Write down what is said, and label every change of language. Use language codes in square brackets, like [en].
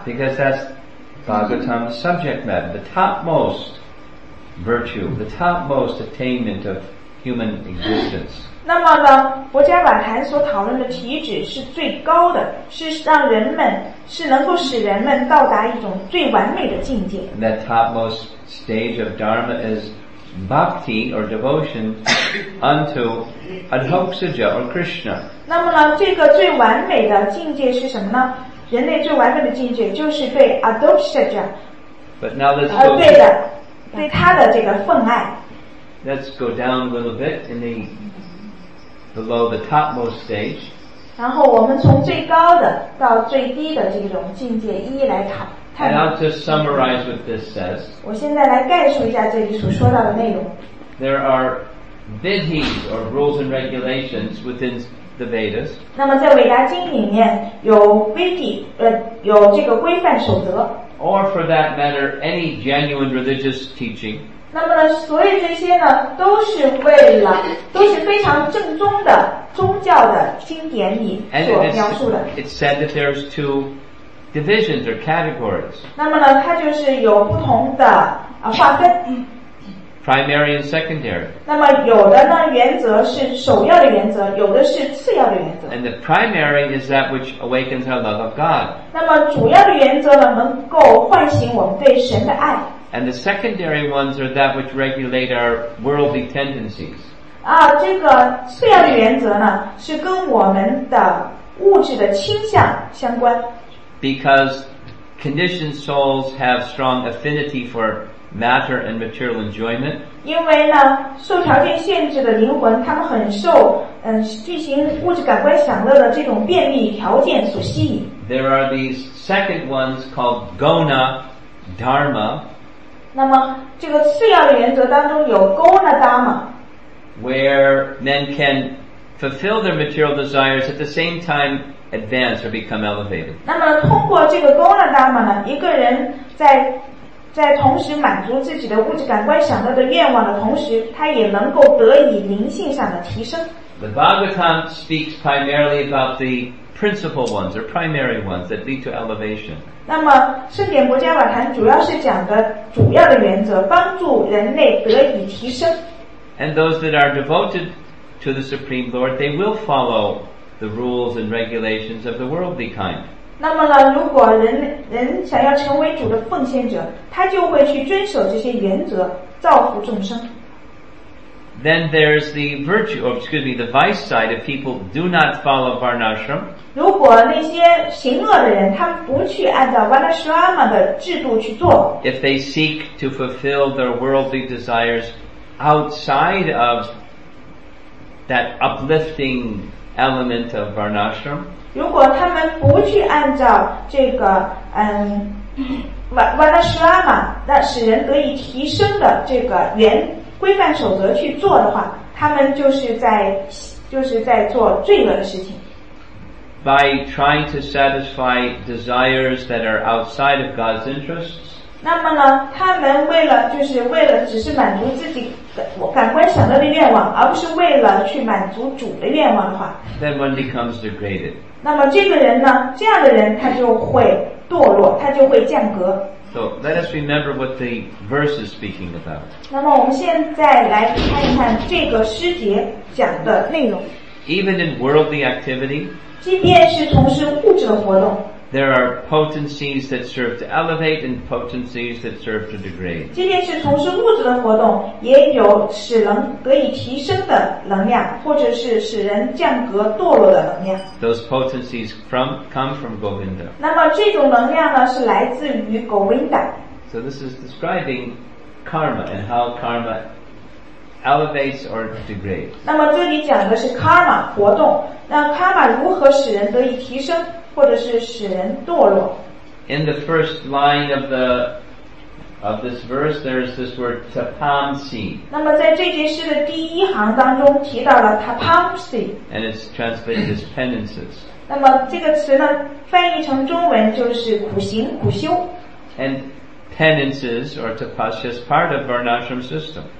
[en] Because that's Bhagavatam's subject matter, the topmost virtue, the topmost attainment of human existence. [zh] 那么呢佛家瓦坛所讨论的体旨是最高的是让人们是能够使人们到达一种最完美的境界 [en] And that topmost stage of Dharma is bhakti or devotion unto Adhoksaja or Krishna [zh] 那么呢这个最完美的境界是什么呢人类最完美的境界就是对 Adhoksaja [en] But now let's [zh] 对他的这个奉爱 [en] Let's go down a little bit in the below the topmost stage [zh] 然后我们从最高的到最低的这种境界一一来讨 [en] And I'll just summarize what this says [zh] 我现在来概述一下这里所说到的内容 [en] There are vidhis or rules and regulations within the Vedas [zh] 那么在维达经里面有 vidhi 有这个规范守则 [en] Or for that matter any genuine religious teaching [zh] 那么呢所以这些呢都是为了都是非常正宗的宗教的经典里所描述的 [en] it's said that there's two divisions or categories [zh] 那么呢它就是有不同的划分 [en] from primary and secondary. [zh] 那么有的呢原则是首要的原则，有的是次要的原则。 [en] And the primary is that which awakens our love of God. [zh] 那么主要的原则呢，能够唤醒我们对神的爱。 [en] And the secondary ones are that which regulate our worldly tendencies. [zh] 啊，这个次要的原则呢，是跟我们的物质的倾向相关。 [en] Because conditioned souls have strong affinity for matter and material enjoyment. [zh] 因为呢，受条件限制的灵魂，他们很受进行物质感官享乐的这种便利条件所吸引。 [en] There are these second ones called gona dharma. [zh] 那么这个次要的原则当中有 gona dharma, [en] where men can fulfill their material desires at the same time. Advance or become elevated. [zh] 那么通过这个 Gona Dharma 呢，一个人在同时满足自己的物质感官享乐的愿望的同时，他也能够得以灵性上的提升。 [en] The Bhagavatam speaks primarily about the principal ones or primary ones that lead to elevation. [zh] 那么圣典薄伽瓦坛主要是讲的主要的原则，帮助人类得以提升。 [en] And those that are devoted to the Supreme Lord, they will follow. The rules and regulations of the worldly kind. [zh] 那么呢，如果人想要成为主的奉献者，他就会去遵守这些原则，造福众生。 [en] Then there's the virtue, or excuse me, the vice side of people do not follow Varnashram. [zh] 如果那些行恶的人，他不去按照 Varnashrama 的制度去做。 [en] If they seek to fulfill their worldly desires outside of that uplifting. Element of Varnashram. [zh] 如果他们不去按照这个Varnashrama 那使人得以提升的这个原规范守则去做的话，他们就是在做罪恶的事情。 [en] By trying to satisfy desires that are outside of God's interests. [zh] 那么呢，他们为了只是满足自己。我感官想到的愿望，而不是为了去满足主的愿望的话， [en] Then one becomes degraded. [zh] 那么这个人呢，这样的人他就会堕落，他就会降格。 [en] So let us remember what the verse is speaking about. [zh] 那么我们现在来看一看这个诗节讲的内容。 [en] Even in worldly activity, [zh] 即便是从事物质的活动。 [en] There are potencies that serve to elevate and potencies that serve to degrade. [zh] 即便是从事物质的活动，也有使人得以提升的能量，或者是使人降格堕落的能量。 [en] Those potencies come from Govinda. [zh] 那么这种能量呢，是来自于 Govinda. [en] So this is describing karma and how karma elevates or degrades. [zh] 那么这里讲的是 karma 活动，那 karma 如何使人得以提升？或者是使人堕落。 [en] In the first line of this verse, there is this word tapamsi. [zh] 那么在这节诗的第一行当中提到了 tapamsi. [en] And it's translated as penances. [zh] 那么这个词呢，翻译成中文就是苦行、苦修。 [en] And penances or tapasya is part of Varnashram system.